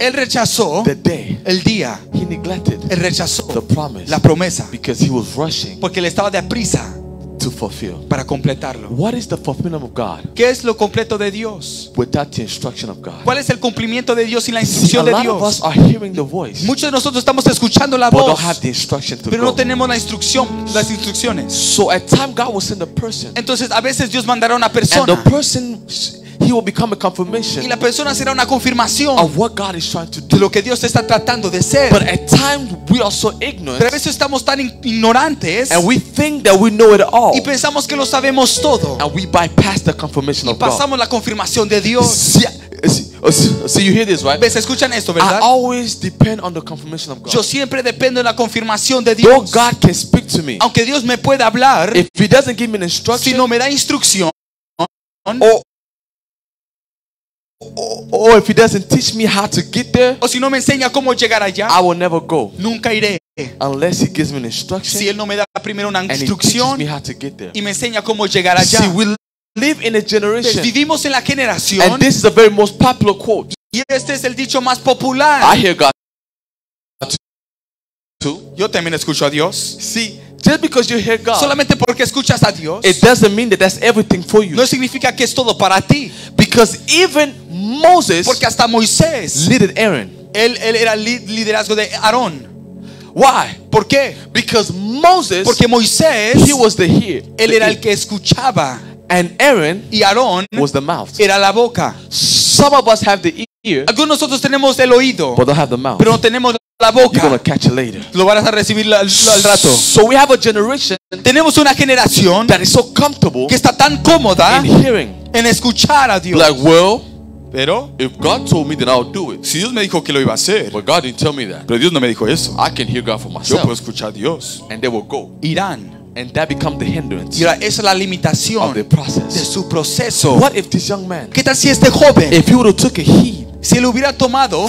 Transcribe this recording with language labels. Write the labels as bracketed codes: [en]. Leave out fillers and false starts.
[es] Él rechazó. [en] The day. [es] El día. [en] He neglected. [es] Él rechazó. [en] The promise. [es] La promesa. [en] Because he was rushing. [es] Porque él estaba de prisa. [en] To fulfill. [es] Para completarlo. [en] What is the fulfillment of God? [es] ¿Qué es lo completo de Dios? [en] Without the instruction of God. [es] ¿Cuál es el cumplimiento de Dios sin la instrucción de Dios? [en] A lot of us are hearing the voice. [es] Muchos de nosotros estamos escuchando la [en] but Don't have the instruction to [es] pero [en] go. [es] No tenemos la instrucción, las instrucciones. [en] So at time God will send a person. [es] Entonces a veces Dios mandará una persona. [en] And the person, he will become a confirmation. [es] Y la persona será una confirmación. [en] Of what God is trying to do. [es] De lo que Dios está tratando de ser. [en] But at times we are so ignorant. [es] Pero a veces estamos tan ignorantes. [en] And we think that we know it all. [es] Y pensamos que lo sabemos todo. [en] And we bypass the confirmation of God. [es] Y pasamos la confirmación de Dios. [en] So you hear this, right? [es] ¿Ves? Escuchan esto, ¿verdad? [en] I always depend on the confirmation of God. [es] Yo siempre dependo de la confirmación de Dios. [en] Though God can speak to me. [es] Aunque Dios me pueda hablar. [en] If He doesn't give me an instruction. [es] Si no me da instrucción. [en] Or if He doesn't teach me how to get there, [es] o si no me enseña cómo llegar allá, [en] I will never go. [es] Nunca iré. [en] Unless He gives me an instruction. [es] Si él no me da primero una instrucción, [en] and He teaches me how to get there. [es] Y me enseña cómo llegar allá. [en] See, we live in a generation. [es] Pues vivimos en la generación. [en] And this is the very most popular quote. [es] Y este es el dicho más popular. [en] I hear God. [es] Yo también escucho a Dios. [en] Sí. Just because you hear God, [es] solamente porque escuchas a Dios, [en] it doesn't mean that that's everything for you. [es] No significa que es todo para ti. [en] Because even Moses, [es] porque hasta Moisés, [en] leaded Aaron. [es] Él era liderazgo de Aarón. [en] Why? [es] ¿Por qué? [en] Because Moses, [es] porque Moisés, [en] he was the hear. [es] Él era el que escuchaba. [en] And Aaron, [es] y Aarón, [en] was the mouth. [es] Era la boca. [en] Some of us have the ear. [es] Algunos de nosotros tenemos el oído, [en] but don't have the mouth. [es] Pero no tenemos la boca. [en] You're gonna catch it later. [es] Lo vas a recibir al rato. [en] So we have a generation. [es] Tenemos una generación [en] that is so comfortable, [es] que está tan cómoda, [en] in hearing, [es] en escuchar a Dios. [en] Like, well, [es] pero, [en] if God told me, then I'll do it. [es] Si Dios me dijo que lo iba a hacer, [en] but God didn't tell me that. [es] Pero Dios no me dijo eso. [en] I can hear God for myself. [es] Yo puedo escuchar a Dios. [en] And they will go. [es] Irán. [en] And that become the hindrance. [es] Y ahora, esa es la limitación [en] of the process. [es] De su proceso. [en] What if this young man? [es] ¿Qué tal si este joven? [en] If he would have took a heed. [es] Si él hubiera tomado